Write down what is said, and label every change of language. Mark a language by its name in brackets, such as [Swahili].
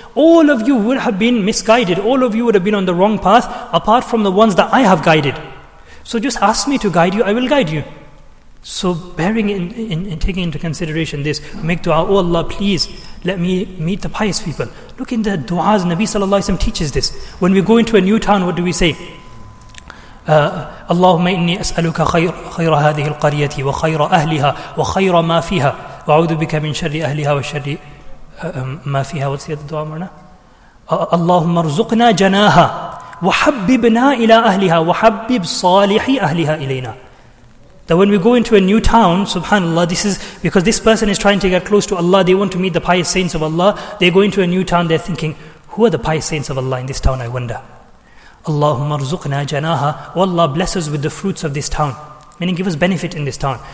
[English] All of you would have been misguided, all of you would have been on the wrong path, apart from the ones that I have guided. So just ask me to guide you, I will guide you. So bearing in taking into consideration this, make dua, oh Allah, please let me meet the pious people. Look in the duas, Nabi sallallahu alayhi wa sallam teaches this. When we go into a new town, what do we say? [Arabic] اللهم إني أسألك خير هذه القرية وخير أهلها وخير ما فيها وأعوذ بك من شر أهلها وشر ما فيها. [English] What's the dua [Arabic] معنا؟ اللهم ارزقنا جناها وحببنا إلى أهلها وحبب صالح أهلها إلينا. [English] That when we go into a new town, subhanAllah, this is because this person is trying to get close to Allah, they want to meet the pious saints of Allah. They go into a new town, they're thinking, who are the pious saints of Allah in this town, I wonder? Allahumma arzuqna janaha, oh Allah, bless us with the fruits of this town, meaning give us benefit in this town.